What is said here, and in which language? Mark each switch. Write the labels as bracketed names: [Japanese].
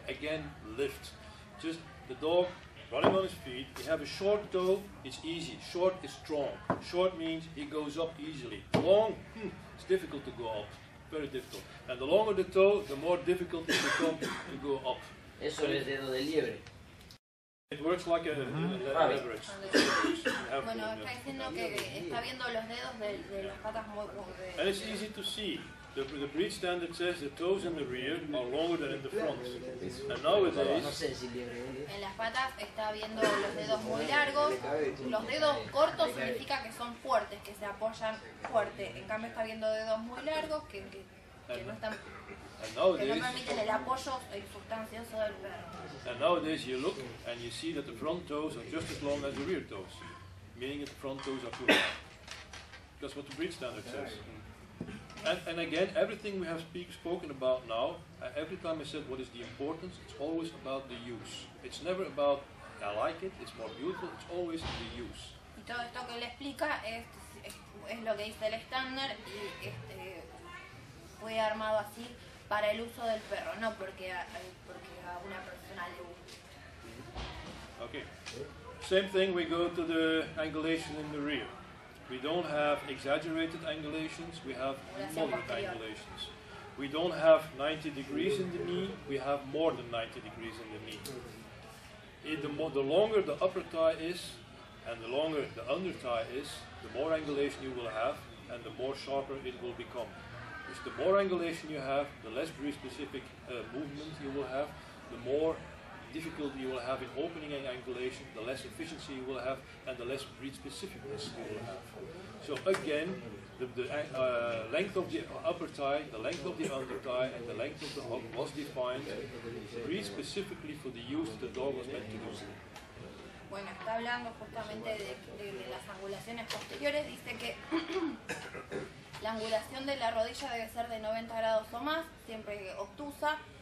[English] Again, lift. Just the dog running on his feet, he have a short toe, it's easy. Short is strong. Short means he goes up easily. Long, it's difficult to go up. Very difficult. And the longer the toe, the more difficult it becomes to go up. [Spanish] Eso es el dedo de liebre. [English] It works like a leverage. [Spanish] Bueno, está diciendo que está viendo los dedos de las patas muy. [English] And it's easy to see. The breed standard says the toes in the rear are longer than in the front. And nowadays, [Spanish] en las patas está viendo los dedos muy largos. Los dedos cortos significa que son fuertes, que se apoyan fuerte. En cambio, está viendo dedos muy largos [English] And nowadays you look and you see that the front toes are just as long as the rear toes, meaning that the front toes are too long. That's what the breed standard says. And again, everything we have spoken about now, every time I said what is the importance, it's always about the use. It's never about I like it, it's more beautiful, it's always the use. Y todo esto que le explica es lo que dice el estándar y fue armado así para el uso del perro, no porque a una persona le guste. Okay. Same thing, we go to the angulation in the rear. We don't have exaggerated angulations, we have moderate angulations. We don't have 90 degrees in the knee, we have more than 90 degrees in the knee. The longer the upper thigh is, and the longer the under thigh is, the more angulation you will have, and the more sharper it will become. Because the more angulation you have, the less breed-specific movement you will have, the more difficulty you will have in opening an angulation, the less efficiency you will have, and the less breed-specificness you will have. So again, the length of the upper thigh, the length of the under thigh, and the length of the hock was defined breed-specifically for the use the dog was meant to do. [Spanish] Bueno, está hablando justamente de las angulaciones posteriores. Dice que la angulación de la rodilla debe ser de 90 grados o más, siempre obtusa.